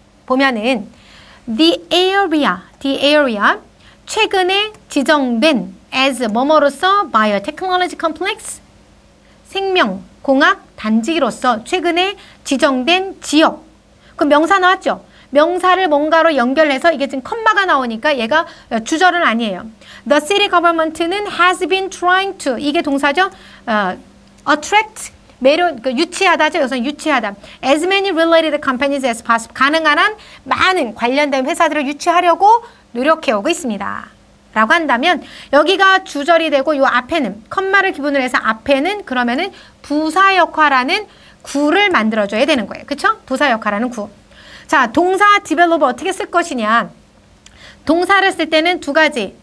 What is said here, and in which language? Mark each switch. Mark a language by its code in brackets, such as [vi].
[ko] 보면은 [en] the area [ko] 최근에 지정된 as 뭐뭐로서 [en] biotechnology complex [ko] 생명 공학 단지로서 최근에 지정된 지역. 그 명사 나왔죠? 명사를 뭔가로 연결해서 이게 지금 콤마가 나오니까 얘가 주절은 아니에요. [en] The city government는 has been trying to [ko] 이게 동사죠? attract 매력, 유치하다죠? 여기서 유치하다. [en] As many related companies as possible. [ko] 가능한 한 많은 관련된 회사들을 유치하려고 노력해오고 있습니다. 라고 한다면 여기가 주절이 되고 이 앞에는 콤마를 기본으로 해서 앞에는 그러면은 부사 역할하는 구를 만들어줘야 되는 거예요. 그렇죠? 부사 역할하는 구. 자, 동사 develop 어떻게 쓸 것이냐. 동사를 쓸 때는 두 가지.